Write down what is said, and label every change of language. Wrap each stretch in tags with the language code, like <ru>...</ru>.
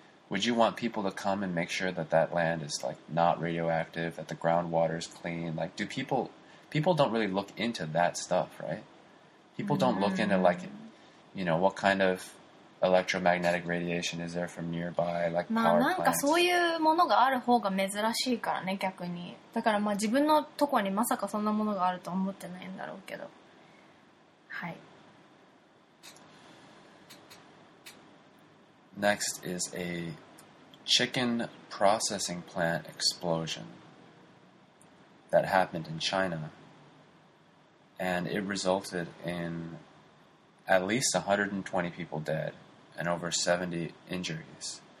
<en>Would you want people to come and make sure that that land is like not radioactive, that the groundwater is clean? Like, do people don't really look into that stuff, right? People don't look into like, you know, what kind of electromagnetic radiation is there from nearby, like power plants.</en> <ja>まあなんかそういうものがある方が珍しいからね、逆に。だからまあ自分のとこにまさかそんなものがあると思ってないんだろうけど、はい。</ja> <en>Next is a chicken processing plant explosion that happened in China. And it resulted in at least 120 people dead and over 70 injuries.</en>